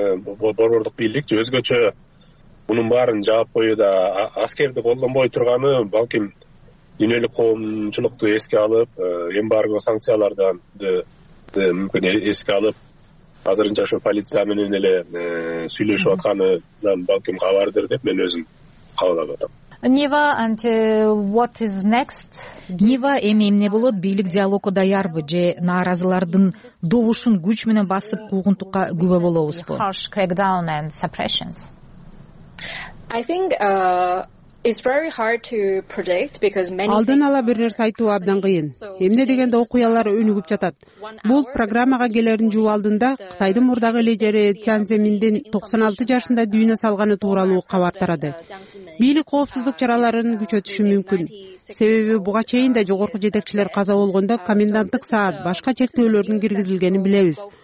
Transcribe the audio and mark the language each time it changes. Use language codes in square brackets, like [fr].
[ky] Борбордук бийлик же өзгөчө мунун баарын жаап коюу да аскерди колдонбой турганы балким дүйнөлүк коомчулукту эске алып эмбарго санкциялардан мүмкүн эске алып азырынча ошо полиция менен эле сүйлөшүп атканынан балким кабардыр деп мен өзүм кабылдап атам. [en] Нива, and what is next? [ky] Нива, эми эмне болот? Бийлик диалогко даярбы же нааразылардын добушун күч менен басып куугунтукка күбө болобузбу? [en] Harsh crackdown and suppressions. I think it's very hard to predict because many [ky] алдын ала бир нерсе айтуу абдан кыйын. Эмне дегенде окуялар өнүгүп жатат. Бул программага келердин жуу алдында Кытайдын мурдагы лидери Цзян Цземиндин 96 жашында дүйнө салганы тууралуу кабар тарады. Бийлик коопсуздук чараларын күчөтүшү мүмкүн. Себеби буга чейин да жогорку жетекчилер каза болгондо коменданттык саат, башка чектөөлөрдүн киргизилгенин билебиз.